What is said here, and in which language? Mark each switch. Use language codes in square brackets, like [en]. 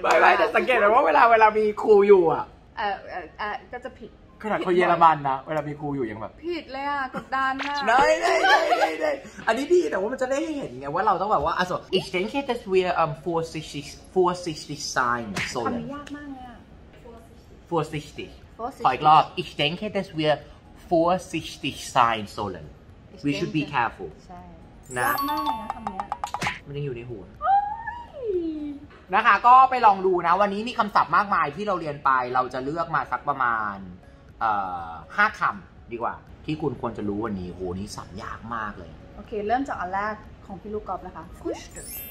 [th] ไม่จะสังเกตเลยว่าเวลามีครูอยู่อ่ ะ ก็จะผิด ขนาดเขาเยอรมันนะเวลามีครูอยู่ยังแบบ ผิดเลยอ่ะกดดันอ่ะ ได้อันนี้ดีแต่ว่ามันจะได้เห็นไงว่าเราต้องแบบว่าอ่ะสอ [de] ich denke dass wir vorsichtig sein sollen [th] ทำยากมากเลย [de] vorsichtig. [en] Like, [de] ich denke, dass wir vorsichtig sein sollen. [en] We should be careful. [th] ใช่ นะ มากเลยนะคำนี้ มันยังอยู่ในหัวนะคะก็ไปลองดูนะวันนี้มีคำศัพท์มากมายที่เราเรียนไปเราจะเลือกมาสักประมาณ5คำดีกว่าที่คุณควรจะรู้วันนี้โหนี่ศัพท์ยากมากเลย โอเคเริ่มจากอันแรกของพี่ลูกกอล์ฟนะคะ Frühstück